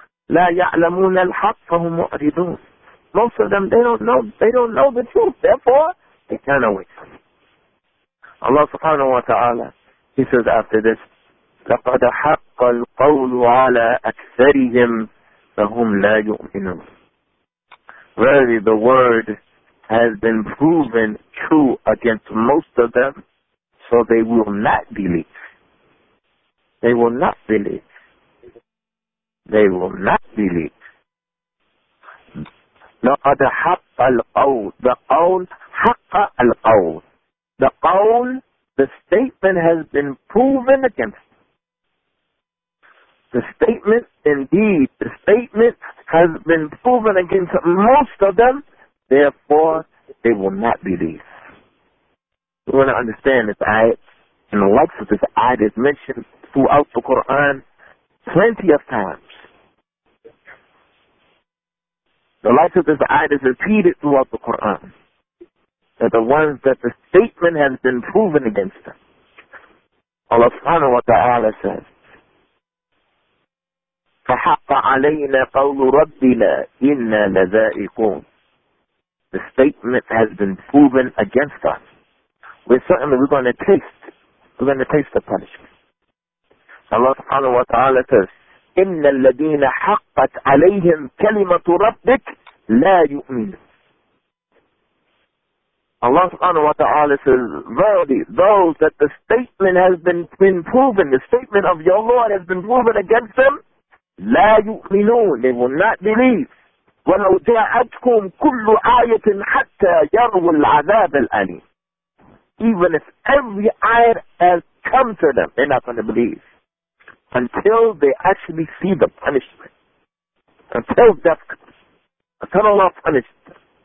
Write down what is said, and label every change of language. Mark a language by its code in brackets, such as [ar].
[ar] لا يعلمون الحق فهم معرضون. [en] Most of them, they don't know the truth. Therefore, they turn away from me. Allah subhanahu wa ta'ala, he says after this, [ar] لَقَدَ حَقَّ الْقَوْلُ عَلَىٰ أَكْثَرِهِمْ فَهُمْ لَا يُؤْمِنُونَ. [en] Verily, the word has been proven true against most of them, so they will not believe. They will not believe. They will not believe. [ar] لَقَدَ حَقَّ الْقَوْلُ. [en] The [ar] قَوْلُ حَقَّ الْقَوْلُ. [en] The قَوْلُ, the statement has been proven against them. The statement, indeed, the statement has been proven against most of them, therefore, they will not believe. We want to understand this ayat, and the likes of this ayat is mentioned throughout the Quran plenty of times. The likes of this ayat is repeated throughout the Quran, that the ones that the statement has been proven against them. Allah subhanahu wa ta'ala says, [ar] فحق علينا قول ربنا إنا لذائقون. [en] The statement has been proven against us. We're going to taste the punishment. Allah subhanahu wa ta'ala says, [ar] إن الذين حقت عليهم كلمة ربك لا يؤمن. [en] Allah subhanahu wa ta'ala says, verily, those that the statement has been proven, the statement of your Lord has been proven against them, [ar] لا يؤمنون, [en] they will not believe. [ar] ولو جاءتكم كل آية حتى يروا العذاب الأليم. [en] Even if every ayah has come to them, they're not going to believe. Until they actually see the punishment. Until death comes. Until Allah punishes them.